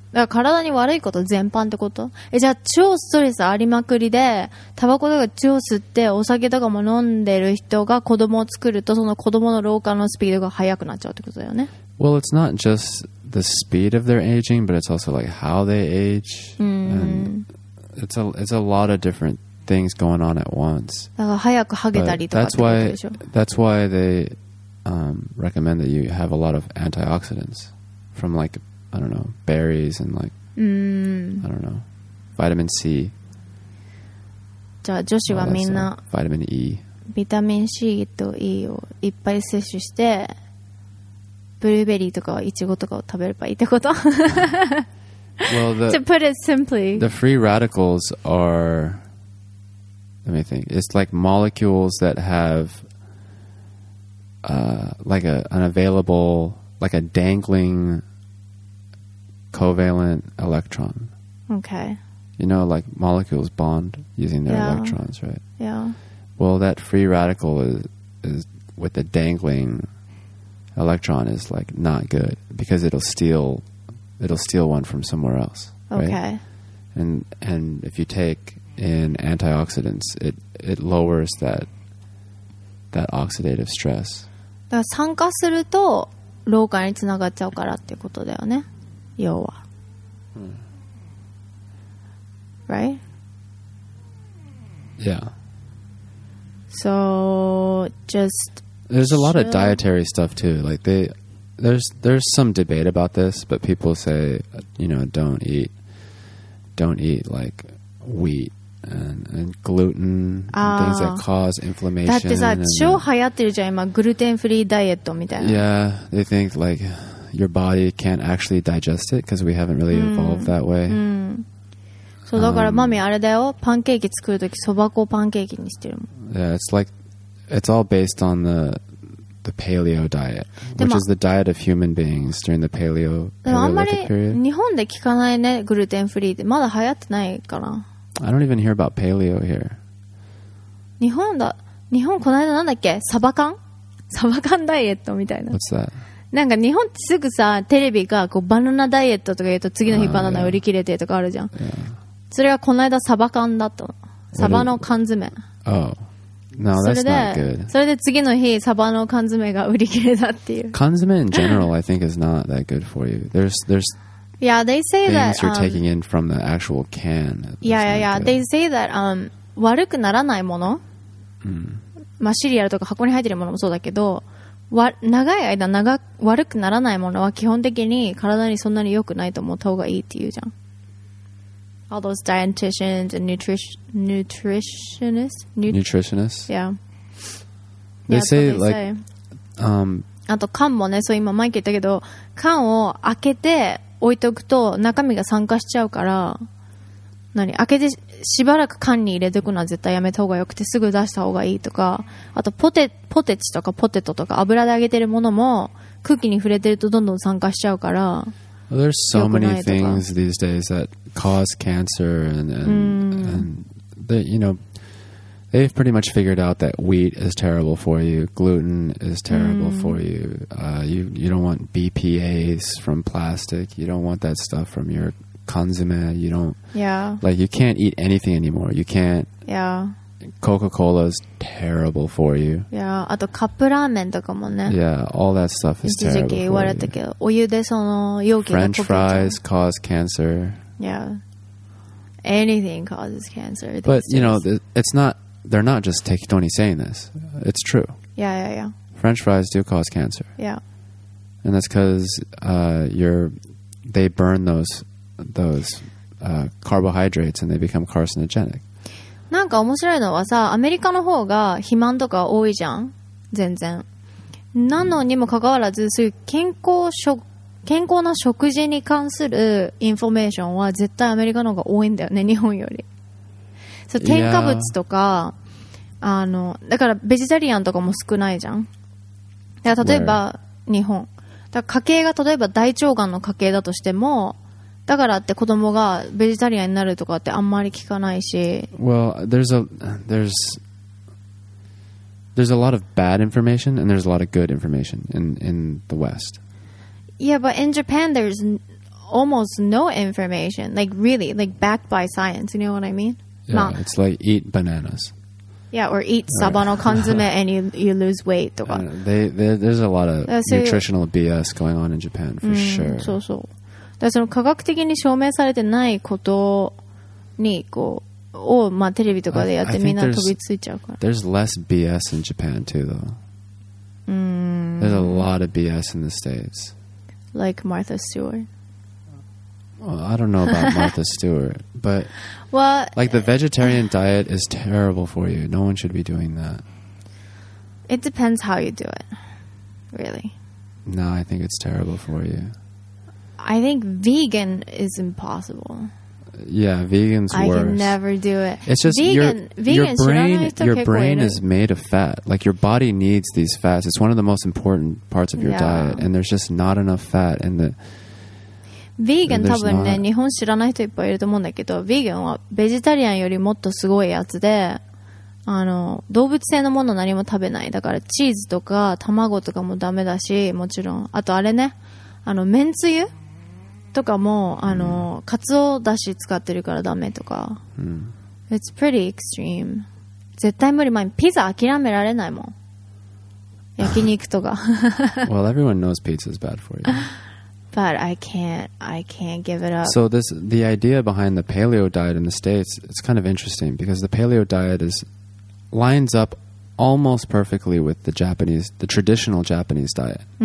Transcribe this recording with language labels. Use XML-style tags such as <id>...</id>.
<ja>だから体に悪いこと全般ってこと?え、じゃあ超ストレスありまくりで、タバコとか超吸ってお酒とかも飲んでる人が子供を作ると、その子供の老化のスピードが速くなっちゃうってことだよね。</ja> <en>Well, it's not just the speed of their aging, but it's also like how they age. And it's a lot of different things going on at once.</en> <ja>だから早くハゲたりとかってことでしょ?</ja> <en>That's why they recommend that you have a lot of antioxidants from like,I don't know, berries and like, I don't know, vitamin C.</en> <ja>じゃあ女子はみんな、</ja> <en>vitamin E.</en> <ja>ビタミン C と E をいっぱい摂取して、ブルーベリーとかイチゴとかを食べればいいってこと?</ja> <en>Well, to put it simply, the free radicals are, let me think, it's like molecules that have like an available, like a dangling... covalent electron. Okay. You know, like molecules bond using their electrons, right? Yeah. Well, that free radical is with the dangling electron is like not good because it'll steal one from somewhere else. Okay. Right? And if you take in antioxidants, it lowers that oxidative stress.</en> <ja>だから酸化すると老化につながっちゃうからっていうことだよね。要は、</ja> <en>right? Yeah. So just there's a lot of dietary stuff too. Like there's some debate about this, but people say, you know, don't eat like wheat and gluten and things that cause inflammation.</en> <ja>だってさ、超流行ってるじゃん今、グルテンフリーダイエットみたいな。</ja> <en>Yeah, they think like. Your body can't actually digest it because we haven't really evolved that way. So,</en> <ja>だからマミあれだよ。パンケーキ作るときそば粉パンケーキにしてるもん。</ja> <en>Yeah, it's like it's all based on the paleo diet, which is the diet of human beings during the paleo period.</en> <ja>でもあんまり日本で聞かないね、グルテンフリーってまだ流行ってないかな。</ja> <en>I don't even hear about paleo here.</en> <ja>日本この間なんだっけ、サバ缶？サバ缶ダイエットみたいな。</ja> <en>What's that?</en> <ja>なんか日本ってすぐさテレビがこうバナナダイエットとか言うと次の日バナナ売り切れてとかあるじゃん、</ja> <en>yeah.</en> <ja>それがこの間サバ缶だったの。サバの缶詰、</ja> <en>oh. no, that's not good.</en> <ja>それで次の日サバの缶詰が売り切れたっていう。</ja> <en>缶詰 in general I think is not that good for you. There's yeah, they say things that, you're taking in from the actual can. Yeah, yeah, yeah. They say that</en> <ja>悪くならないもの、まあ、シリアルとか箱に入ってるものもそうだけど長い間悪くならないものは基本的に体にそんなに良くないと思った方がいいって言うじゃん。</ja> <en>All those dietitians and nutritionists Yeah They say like</en> <ja>あと缶もね、そう今マイケ言ったけど缶を開けて置いとくと中身が酸化しちゃうから何開けてしばらく缶に入れておくのは絶対やめた方がよくてすぐ出した方がいいとか、あとポテチとかポテトとか油で揚げてるものも空気に触れてるとどんどん酸化しちゃうから。</ja> <en>Well, there's so many things these days that cause cancer and they, you know, they've pretty much figured out that wheat is terrible for you, gluten is terrible for you. You don't want BPAs from plastic, you don't want that stuff from your缶詰, you don't yeah like you can't eat anything anymore. You can't yeah Coca-Cola is terrible for you.</en> <ja>Yeah, あとカップラーメンとかもね。</ja> <en>Yeah, all that stuff is terrible for you.</en> <ja>一時期言われたけど、お湯でその容器が</ja> <en>French fries cause cancer. Yeah, anything causes cancer. But, you know, it's not, they're not just Tekitoni saying this. It's true. Yeah, yeah, yeah. French fries do cause cancer. Yeah. And that's because they burn those carbohydrates and they become carcinogenic.</en> <ja>なんか面白いのはさ、アメリカの方が肥満とか多いじゃん、全然。なのにもかかわらず、そういう健康な食事に関するインフォメーションは絶対アメリカの方が多いんだよね、日本より。そう、添加物とか、yeah. だからベジタリアンとかも少ないじゃん。だから例えば日本。だから家系が例えば大腸がんの家系だとしても、だからって子供がベジタリアンになるとかってあんまり聞かないし。</ja> <en>Well, there's a lot of bad information and there's a lot of good information in the West. Yeah, but in Japan there's almost no information. Like really, like backed by science. You know what I mean? Yeah, it's like eat bananas. Yeah, or eat sabano konzume and you lose weight</en> <ja>とか。</ja> <en>There's a lot of nutritional BS going on in Japan for sure.</en> <ja>そうそう。だその科学的に証明されてないことにこうを、まあ、テレビとかでやってみんな飛びついちゃうから。</ja> <en>There's less BS in Japan too, though. There's a lot of BS in the States. Like Martha Stewart. Well, I don't know about Martha Stewart, but like the vegetarian diet is terrible for you. No one should be doing that. It depends how you do it, really. No, I think it's terrible for you. I think vegan is impossible. Yeah, vegan's worse. I can never do it. It's just your brain is made of fat. Like, your body needs these fats. It's one of the most important parts of your diet. And there's just not enough fat in the...</en> <ja>Vegan, 多分ね、日本知らない人いっぱいいると思うんだけど、vegan はベジタリアンよりもっとすごいやつで、動物性のもの何も食べない。だからチーズとか卵とかもダメだし、もちろん。あとあれね、めんつゆとかも、カツオだし使ってるからダメとか、</ja> <en>It's pretty extreme.</en> <ja>絶対無理。まあ、ピザ諦められないもん。焼肉とか。</ja> <en>Well, everyone knows pizza is bad for you. But I can't give it up. So this, the idea behind the paleo diet in the States, it's kind of interesting because the paleo diet lines up almost perfectly with the traditional Japanese diet.</en>